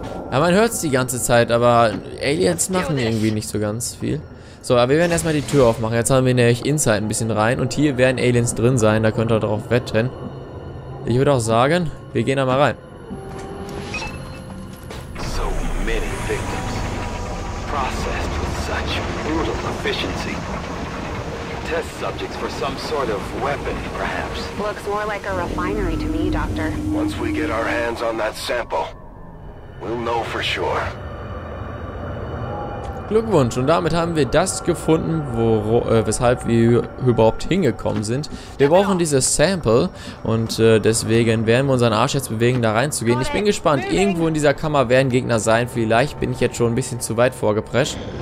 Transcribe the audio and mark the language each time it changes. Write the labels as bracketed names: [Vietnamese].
[German] Ja, man hört es die ganze Zeit, aber Aliens machen irgendwie nicht so ganz viel. So, aber wir werden erstmal die Tür aufmachen. Jetzt haben wir nämlich Inside ein bisschen rein. Und hier werden Aliens drin sein, da könnt ihr darauf wetten. Ich würde auch sagen, wir gehen da mal rein. [English] So many victims. Processed with such brutal efficiency. Test subjects for some sort of weapon, perhaps. Looks more like a refinery to me, Doctor. Once we get our hands on that sample... We'll know for sure. [German] Glückwunsch, und damit haben wir das gefunden, weshalb wir überhaupt hingekommen sind. Wir brauchen dieses Sample und deswegen werden wir unseren Arsch jetzt bewegen, da reinzugehen. Ich bin gespannt, irgendwo in dieser Kammer werden Gegner sein. Vielleicht bin ich jetzt schon ein bisschen zu weit vorgeprescht.